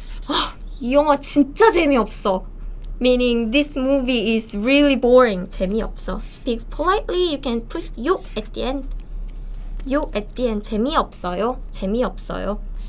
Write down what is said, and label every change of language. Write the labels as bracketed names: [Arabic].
[Korean] Oh, 이 영화 진짜 재미없어. [English] Meaning, this movie is really boring. 재미없어. Speak politely, you can put 요 at the end. 요 at the end. [Korean] 재미없어요, 재미없어요.